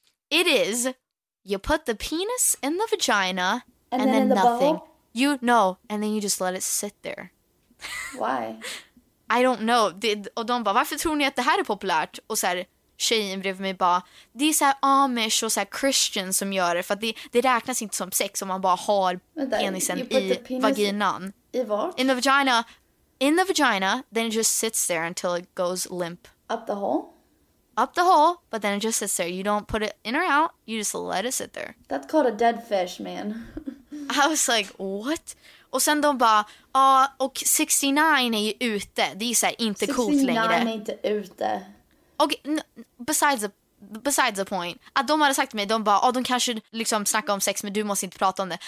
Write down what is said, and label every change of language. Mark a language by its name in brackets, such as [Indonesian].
[English] It is, you put the penis in the vagina and then nothing. The you know, and then you just let it sit there. Why? I don't know. [Swedish] Och de bara, varför tror ni att det här är populärt? Och så här, tjejen bredvid mig bara, det är så här Amish och så här Christian som gör det. För att det räknas inte som sex om man bara har penisen i vaginan. I vart? [English] In the vagina. In the vagina, then it just sits there until it goes limp. Up the hole? Up the hole, but then it just sits there. You don't put it in or out, you just let it sit there. That's called a dead fish, man. I was like, what? [Swedish] Och sen de bara, och 69 är ju ute. Det är så här inte coolt längre. 69 är inte ute. [English] Och besides the point. [Swedish] Att de hade sagt till mig, de bara, de kanske liksom snackar om sex, men du måste inte prata om det.